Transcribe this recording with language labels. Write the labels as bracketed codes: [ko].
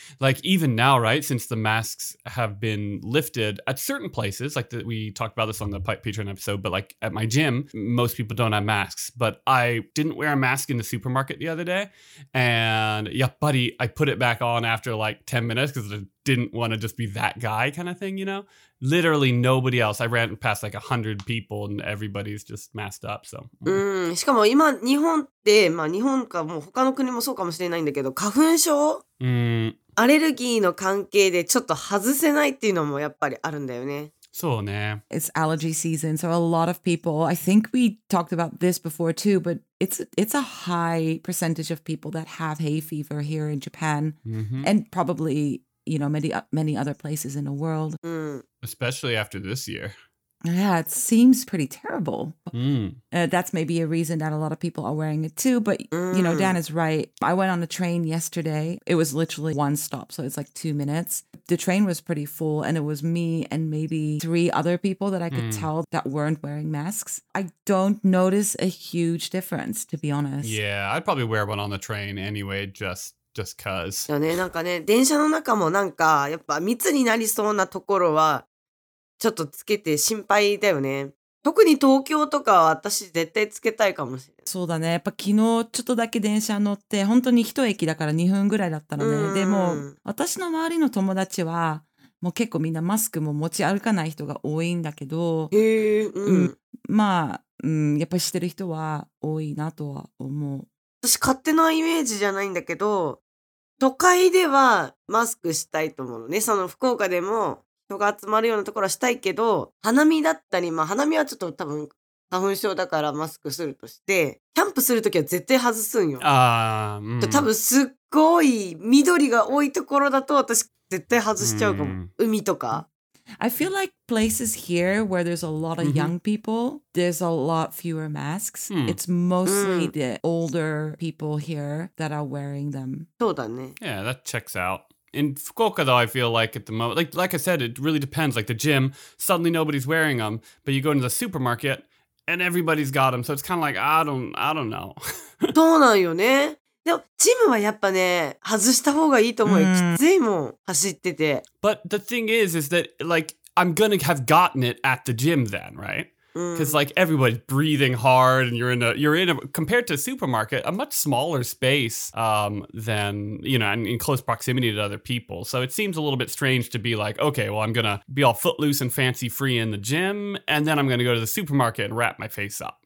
[en] Like even now, right, since the masks have been lifted at certain places, like the, we talked about this on the Patreon episode, but like at my gym, most people don't have masks. But I didn't wear a mask in the supermarket the other day. And yeah, buddy, I put it back on after like 10 minutes because the didn't want to just be that guy kind of thing, you know? Literally nobody else. I ran past like 100 people and everybody's just masked up, so. [ja] しかも今日本って、まあ日本かもう他の国もそうかもしれないんだけど、花粉症、アレルギーの関係でちょっと外せないっていうのもやっぱりあるんだよね。そうね。 [en] It's allergy season, so a lot of people, I think we talked about this before too, but it's a high percentage of people that have hay fever here in Japan, and probablyYou know, many other places in the world. Especially after this year. Yeah, it seems pretty terrible. That's maybe a reason that a lot of people are wearing it too. But, you know, Dan is right. I went on a train yesterday. It was literally one stop. So it's like 2 minutes. The train was pretty full. And it was me and maybe three other people that I could tell that weren't wearing masks. I don't notice a huge difference, to be honest. Yeah, I'd probably wear one on the train anyway, just cause. [ja] よね、なんかね、電車の中もなんかやっぱ密になりそうなところはちょっとつけて心配だよね。特に東京とかは私絶対つけたいかもしれない。そうだね。やっぱ昨日ちょっとだけ電車乗って、本当に一駅だから2分ぐらいだったのね。でも私の周りの友達はもう結構みんなマスクも持ち歩かない人が多いんだけど、へー、まあ、やっぱしてる人は多いなとは思う。私勝手なイメージじゃないんだけど、都会ではマスクしたいと思うのね。その福岡でも人が集まるようなところはしたいけど、花見だったり、まあ花見はちょっと多分花粉症だからマスクするとして、キャンプするときは絶対外すんよ。ああ、多分すっごい緑が多いところだと私絶対外しちゃうかも。海とか。 [en] I feel like places here where there's a lot of young people, there's a lot fewer masks. It's mostly the older people here that are wearing them. [ja] そうだね。 [en] Yeah, that checks out. In Fukuoka, though, I feel like at the moment, like I said, it really depends. Like the gym, suddenly nobody's wearing them, but you go into the supermarket and everybody's got them. So it's kind of like, I don't know. [ja] そうなんよね。でもジムはやっぱね外した方がいいと思う。きついもん走ってて。 [en] But the thing is that like I'm gonna have gotten it at the gym then, right? Because like everybody's breathing hard and you're in a compared to a supermarket a much smaller space than you know and in close proximity to other people. So it seems a little bit strange to be like, okay, well I'm gonna be all footloose and fancy free in the gym and then I'm gonna go to the supermarket and wrap my face up.